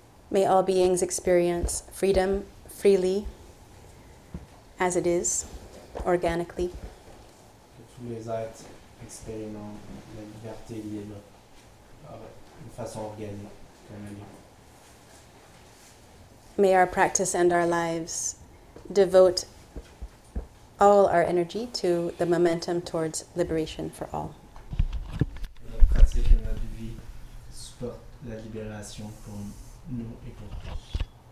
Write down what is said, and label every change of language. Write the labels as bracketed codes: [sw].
[en] May all beings experience freedom freely, as it is, organically. [fr] Que tous les êtres expérimentent la liberté libre, de façon organique, comme elle est. [en] May our practice and our lives devote all our energy to the momentum towards liberation for all. [fr] Que notre pratique et notre vie supportent la libération pour nous. Nous et pour tous.